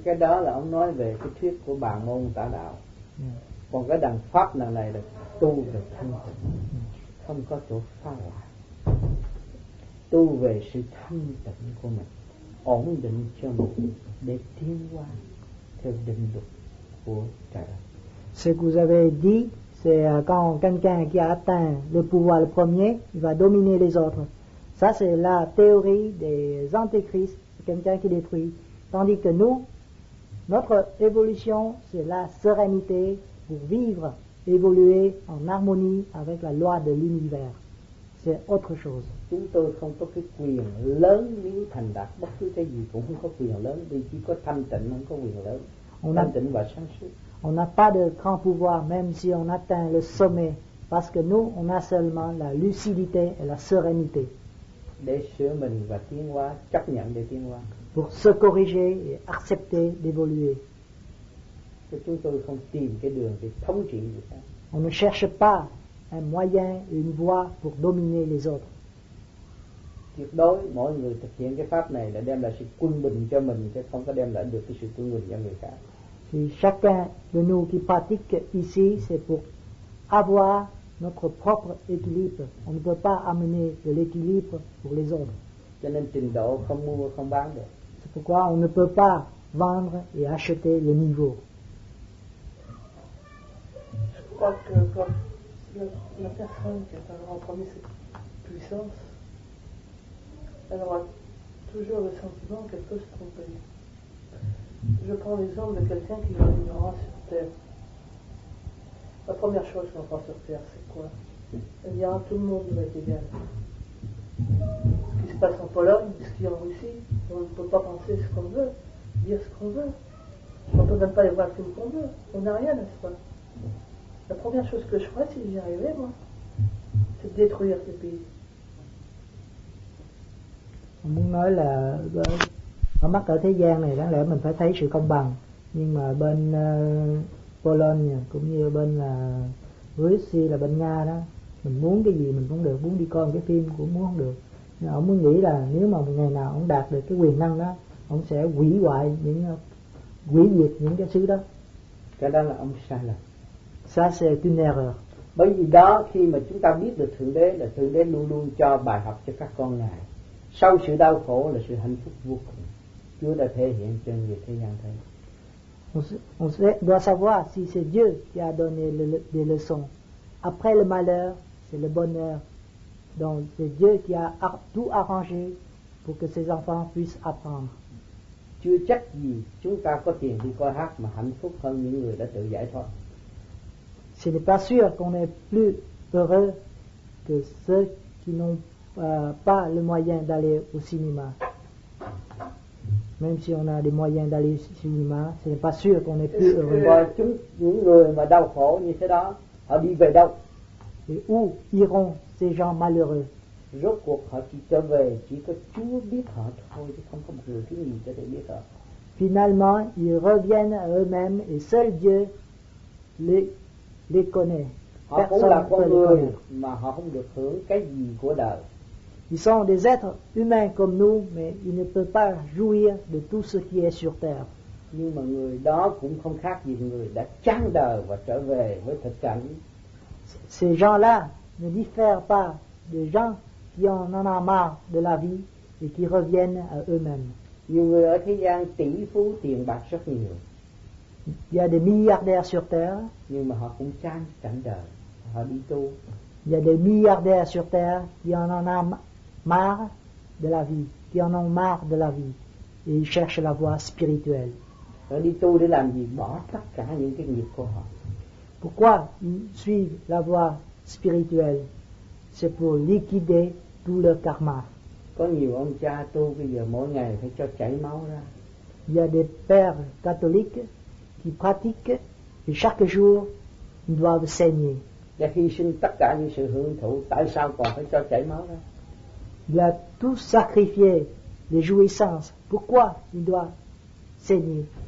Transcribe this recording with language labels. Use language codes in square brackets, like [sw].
[vi] Cái đó là ông nói về cái thuyết của bà môn tả đạo. Còn cái đằng pháp đằng này là tu về thanh tịnh, không có chỗ pha lạ. Tu về sự thanh tịnh của mình, ổn định cho mình để tiến qua theo định luật của trời. [fr] Ce que vous avez dit, c'est quand quelqu'un qui a atteint le pouvoir le premier, il va dominer les autres. Ça, c'est la théorie des antéchrists, c'est quelqu'un qui détruit. Tandis que nous, notre évolution, c'est la sérénité pour vivre, évoluer en harmonie avec la loi de l'univers. C'est autre chose. [vi] Chúng tôi không có cái quyền lớn biến thành đạt bất cứ cái gì cũng không có quyền lớn, vì chỉ có thanh tịnh không có quyền lớn. Thanh tịnh và sáng suốt. [fr] On n'a pas de grand pouvoir même si on atteint le sommet, parce que nous on a seulement la lucidité et la sérénité. [vi] Để sửa mình và tiến hóa, chấp nhận để tiến hóa. [fr] Pour se corriger et accepter d'évoluer. [vi] Chúng tôi không tìm cái đường để thống trị người ta. [fr] On ne cherche pas un moyen, une voie pour dominer les autres. [vi] Tuyệt đối mỗi người thực hiện cái pháp này là đem lại sự quân bình cho mình, chứ không có đem lại được cái sự quân bình cho người khác. [fr] Si chacun de nous qui pratique ici, c'est pour avoir notre propre équilibre. On ne peut pas amener de l'équilibre pour les autres. [vi] Cho nên trình độ không mua không bán được. [fr] C'est pourquoi on ne peut pas vendre et acheter le niveau. Je crois que quand la personne qui atteindra en premier cette puissance, elle aura toujours le sentiment qu'elle peut se tromper. Je prends l'exemple de quelqu'un qui reviendra sur Terre. La première chose qu'on fera sur Terre, c'est quoi? Elle dira, tout le monde va être égal. Ce qui se passe en Pologne, ce qui est en Russie, on ne peut pas penser ce qu'on veut, dire ce qu'on veut. On ne peut même pas aller voir ce qu'on veut. On n'a rien, n'est-ce pas? La première chose que je ferais, si j'y arrivais, moi, c'est de détruire ces pays. [vi] Nói mắt ở thế gian này đáng lẽ mình phải thấy sự công bằng, nhưng mà bên Poland cũng như bên là Russia là bên Nga đó, mình muốn cái gì mình cũng được, muốn đi coi cái phim cũng muốn không được. Nhưng ông mới nghĩ là nếu mà một ngày nào ông đạt được cái quyền năng đó, ông sẽ hủy hoại những hủy diệt những cái xứ đó. Cái đó là ông sai lầm. [fr] Ça c'est une erreur. [vi] Bởi vì đó khi mà chúng ta biết được Thượng Đế là Thượng Đế luôn luôn cho bài học cho các con ngài. Sau sự đau khổ là sự hạnh phúc vô cùng. Chúa đã thể hiện cho người thế gian thấy. [fr] On doit savoir si c'est Dieu qui a donné des leçons. Après le malheur, c'est le bonheur. Donc c'est Dieu qui a tout arrangé pour que ses enfants puissent apprendre. [vi] Chưa chắc gì chúng ta có tiền đi coi hát mà hạnh phúc hơn những người đã tự giải thoát. [fr] Ce n'est pas sûr qu'on est plus heureux que ceux qui n'ont pas le moyen d'aller au cinéma. Même si on a des moyens d'aller au cinéma, ce n'est pas sûr qu'on est plus heureux. [vi] Những người mà đau khổ như thế đó, họ đi về đâu? [fr] Et où iront ces gens malheureux? [vi] Rốt cuộc họ chỉ trở về, chỉ có Chúa biết họ thôi, chứ không có một người thứ gì có thể biết họ. [fr] Finalement, ils reviennent à eux-mêmes et seul Dieu les connaît. [vi] Họ cũng là con người mà họ không được hưởng cái gì của đời. [fr] Ils sont des êtres humains comme nous, mais ils ne peuvent pas jouir de tout ce qui est sur terre. [vi] Nhưng mà người đó cũng không khác gì người đã chán đời và trở về với thực cảnh. [fr] Ces gens-là ne diffèrent pas des gens qui en ont marre de la vie et qui reviennent à eux-mêmes. [vi] Nhiều người ở thế gian tỷ phú tiền bạc rất nhiều. [fr] Il y a des milliardaires sur terre. [vi] Nhưng mà họ cũng chán cảnh đời, họ đi tu. [fr] Il y a des milliardaires sur terre qui en ont marre de la vie, qui en ont marre de la vie, et ils cherchent la voie spirituelle. [vi] Đi tu để làm gì? Bỏ tất cả những cái nghiệp của họ. [fr] Pourquoi ils suivent la voie spirituelle? C'est pour liquider tout leur karma. [vi] Có nhiều ông cha tu bây giờ mỗi ngày phải cho chảy máu ra. [fr] Il y a des pères catholiques qui pratiquent et chaque jour ils doivent saigner. [vi] Đã hy sinh tất cả những sự hưởng thụ, tại sao còn phải cho chảy máu ra? [fr] Il a tout sacrifié, les jouissances. Pourquoi il doit saigner?